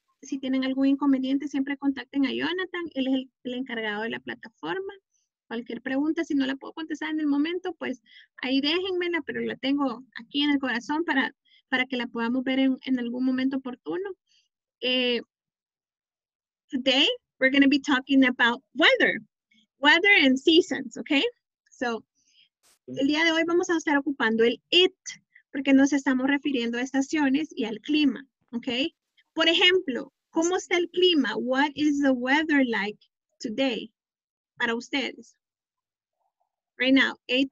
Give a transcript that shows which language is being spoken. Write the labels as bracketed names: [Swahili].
[Spanish] Si tienen algún inconveniente, siempre contacten a Jonathan. Él es el encargado de la plataforma. Cualquier pregunta, si no la puedo contestar en el momento, pues ahí déjenmela, pero la tengo aquí en el corazón para que la podamos ver en algún momento oportuno. [English] Today, we're going to be talking about weather and seasons, okay? [Spanish] So, el día de hoy vamos a estar ocupando el it, porque nos estamos refiriendo a estaciones y al clima, okay? Por ejemplo, ¿cómo está el clima? [English] What is the weather like today? [Spanish] Para ustedes. [English] Right now, 8.